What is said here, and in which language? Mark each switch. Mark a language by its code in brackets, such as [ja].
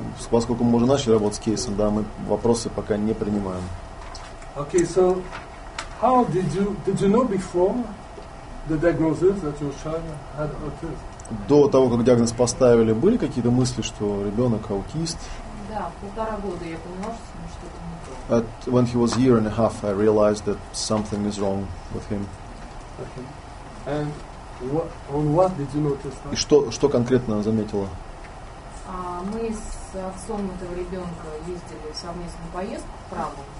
[ru] Поскольку мы уже начали работать с кейсом, да, мы вопросы пока не принимаем. [en] Okay, so how did you know before the diagnosis that your child had autism? [ru] До того, как диагноз поставили, были какие-то мысли, что ребенок аутист? Да, полтора года я поняла, что что-то не то. [en] When he was a year and a half, I realized that something is wrong with him. Okay. And What did you notice? [ru] И что конкретно заметила? Мы с отцом этого ребенка ездили в совместную поездку в Прагу.